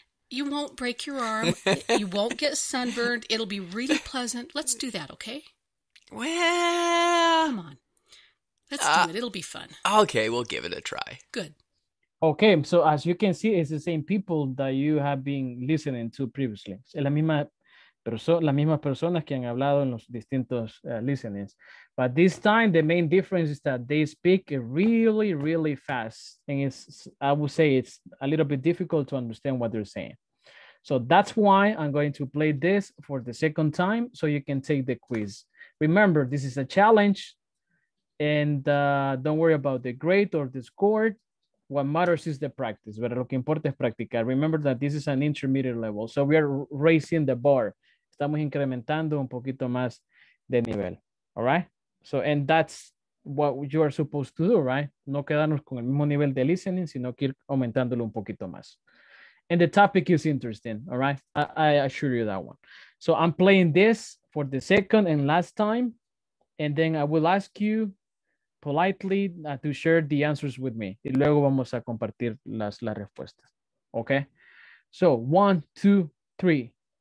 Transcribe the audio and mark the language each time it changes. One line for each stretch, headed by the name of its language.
English: You won't break your arm. You won't get sunburned. It'll be really pleasant. Let's do that, okay? Well, come on. Let's do it. It'll be fun. Okay, we'll give it a try. Good. Okay, so as you can see, it's the same people that you have been listening to previously.
Spanish: Es la misma persona que han hablado en los distintos listenings.
English: But this time, the main difference is that they speak really, really fast. And it's, I would say it's a little bit difficult to understand what they're saying. So that's why I'm going to play this for the second time so you can take the quiz. Remember, this is a challenge, and don't worry about the grade or the score. What matters is the practice,
Spanish: pero lo que importa es practicar.
English: Remember that this is an intermediate level, so we are raising the bar.
Spanish: Estamos incrementando un poquito más de nivel, all right?
English: So, and that's what you are supposed to do, right?
Spanish: No quedarnos con el mismo nivel de listening, sino que ir aumentándolo un poquito más.
English: And the topic is interesting, all right? I assure you that one. So I'm playing this for the second and last time, and then I will ask you politely to share the answers with me.
Spanish: Y luego vamos a compartir las respuestas. Okay?
English: So, 1, 2, 3.